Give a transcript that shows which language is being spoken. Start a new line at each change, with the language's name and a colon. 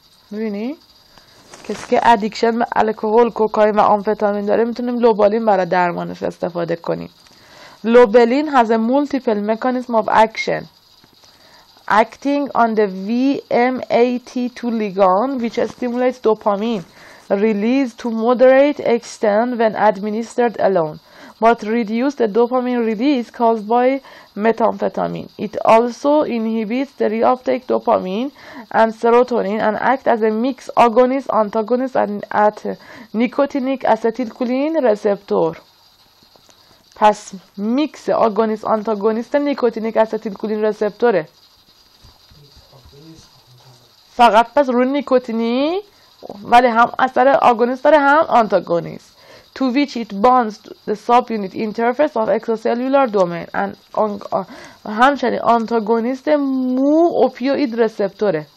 Persian: میبینی؟ کسی که addiction به الکهول، کوکائین و آمفتامین داره میتونیم لوبلین برای درمانش استفاده کنیم.
English: Lobeline has a multiple mechanism of action acting on the VMAT2 ligand which stimulates dopamine release to moderate extent when administered alone but reduces the dopamine release caused by methamphetamine. It also inhibits the reuptake of dopamine and serotonin and acts as a mix agonist antagonist and at nicotinic acetylcholine receptor.
Persian: پس میکس آگونیست آنتاگونیست نیکوتینیک استیلکولین رسپتوره. فقط پس رو نیکوتینی ولی هم اثر آگونیست داره هم آنتاگونیست.
English: To which it bonds the subunit interface of extracellular domain and
Persian: همچنین آنتاگونیست مو اوپیوید رسپتوره.